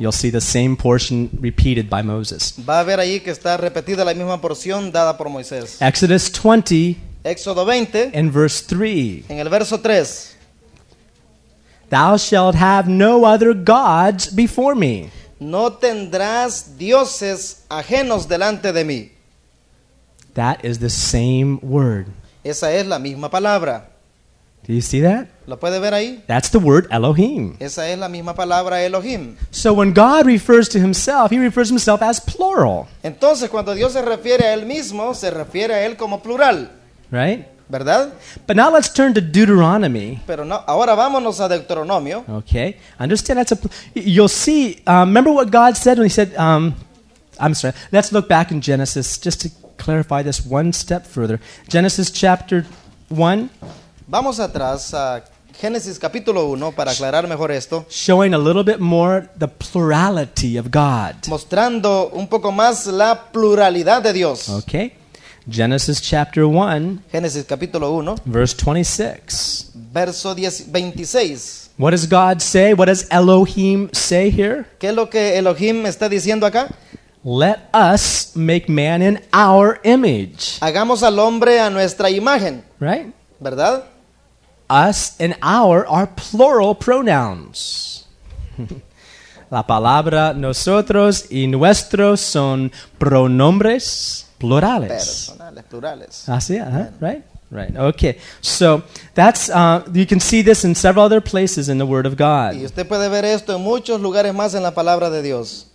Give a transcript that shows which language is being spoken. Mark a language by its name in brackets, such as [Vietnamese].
[English] You'll see the same portion repeated by Moses. [Spanish] Va a ver ahí que está repetida la misma porción dada por Moisés. [English] Exodus 20. [Spanish] Éxodo 20. [English] In verse 3. [Spanish] En el verso 3. [English] Thou shalt have no other gods before me. [Spanish] No tendrás dioses ajenos delante de mí. [English] That is the same word. [Spanish] Esa es la misma palabra. [English] Do you see that? [Spanish] ¿Lo puede ver ahí? [English] That's the word Elohim. [Spanish] Esa es la misma palabra Elohim. [English] So when God refers to himself, he refers to himself as plural. [Spanish] Entonces cuando Dios se refiere a él mismo, se refiere a él como plural. [English] Right? [Spanish] ¿Verdad? [English] But now let's turn to Deuteronomy. [Spanish] Pero no, ahora vámonos a Deuteronomio. [English] Okay. Understand that's a you'll see remember what God said when he said I'm sorry. Let's look back in Genesis just to clarify this one step further. Genesis chapter 1. [Spanish] Vamos atrás a Génesis capítulo 1 para aclarar mejor esto. [English] Showing a little bit more the plurality of God. [Spanish] Mostrando un poco más la pluralidad de Dios. [English] Okay. Genesis chapter 1. [Spanish] Génesis capítulo 1. [English] Verse 26. [Spanish] Verso 26. [English] What does God say? What does Elohim say here? [Spanish] ¿Qué es lo que Elohim está diciendo acá? [English] Let us make man in our image. [Spanish] Hagamos al hombre a nuestra imagen. [English] Right? [Spanish] ¿Verdad? [English] Us and our are plural pronouns. [Spanish] La palabra nosotros y nuestro son pronombres plurales. Personales, plurales. Así, ¿eh? [English] Right? Right. Okay. So that's you can see this in several other places in the Word of God. [Spanish] Y usted puede ver esto en muchos lugares más en la palabra de Dios.